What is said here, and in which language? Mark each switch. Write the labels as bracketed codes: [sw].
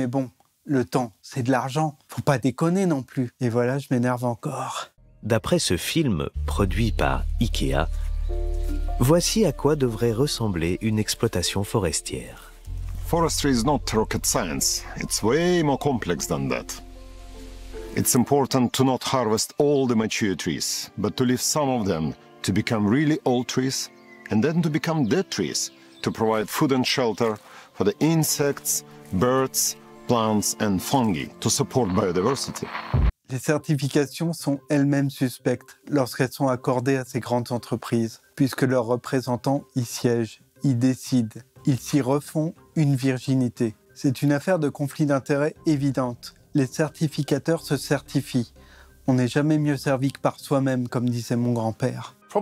[fr] Mais bon, le temps, c'est de l'argent. Faut pas déconner non plus. Et voilà, je m'énerve encore. D'après ce film produit par IKEA, voici à quoi devrait ressembler une exploitation forestière. [en] Forestry is not rocket science. It's way more complex than that. It's important to not harvest all the mature trees, but to leave some of them to become really old trees, and then to become dead trees, to provide food and shelter for the insects, birds, plants and fungi, to support biodiversity. [fr] Les certifications sont elles-mêmes suspectes lorsqu'elles sont accordées à ces grandes entreprises, puisque leurs représentants y siègent, y décident. Ils s'y refont une virginité. C'est une affaire de conflit d'intérêts évidente. Les certificateurs se certifient. On n'est jamais mieux servi que par soi-même, comme disait mon grand-père.